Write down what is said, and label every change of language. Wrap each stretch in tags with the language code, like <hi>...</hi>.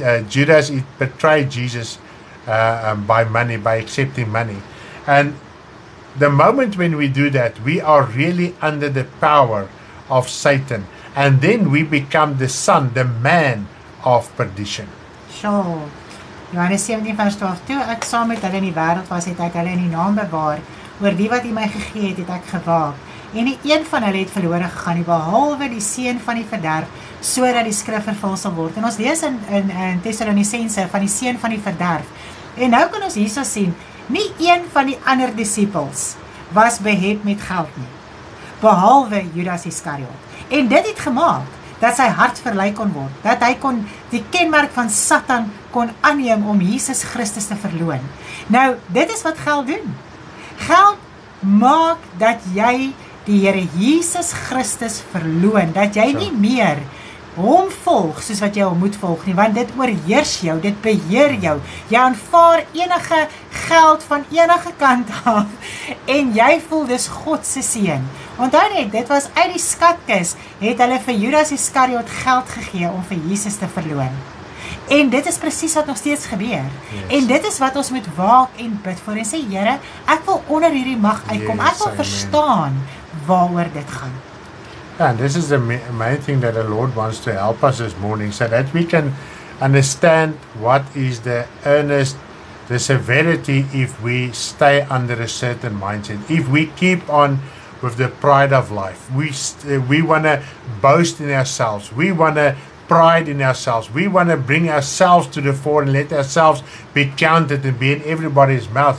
<en>Judas betrayed Jesus by money, by accepting money. And the moment when we do that, we are really under the power of Satan. And then we become the son, the man of perdition. Sure.</en> <af>Johannes 17 vers 12, toe ek saam met hulle in die wereld was, het ek hulle in die naam bewaar, oor die wat hy my gegee het, het ek gewaak. En die een van hulle het verlore gegaan, behalwe die seun van die verderf, so dat die skrif vervul sal word. En ons lees in Thessalonicense van die seun van die verderf. En nou kan ons hierso sien, nie een van die ander disciples was behept met geld nie, behalwe Judas Iscariot. En dit het gemaak dat sy hart verlei kon word, dat hy kon die kenmerk van Satan kon aanneem om Jesus Christus te verloon. Nou, dit is wat geld doen. Geld maak dat jy die Here Jesus Christus verloon, dat jy nie meer hom volg soos wat jy hom moet volg nie, want dit oorheers jou, dit beheer jou. Jy aanvaar enige geld van enige kant af en jy voel dis God se seën. Onthou net, dit was uit die skatkis, het hulle vir Judas Iskariot geld gegee om vir Jesus te verloon. En dit is precies wat nog steeds gebeur. Yes. En dit is wat ons moet waak en bid voor en sê, Here, ek wil onder hierdie mag uitkom. Yes, ek wil amen. Verstaan waaroor dit gaan.</af> <en>Yeah, and this is the main thing that the Lord wants to help us this morning, so that we can understand what is the earnest, the severity if we stay under a certain mindset. If we keep on with the pride of life, we want to boast in ourselves, we want to pride in ourselves, we want to bring ourselves to the fore and let ourselves be counted and be in everybody's mouth.</en>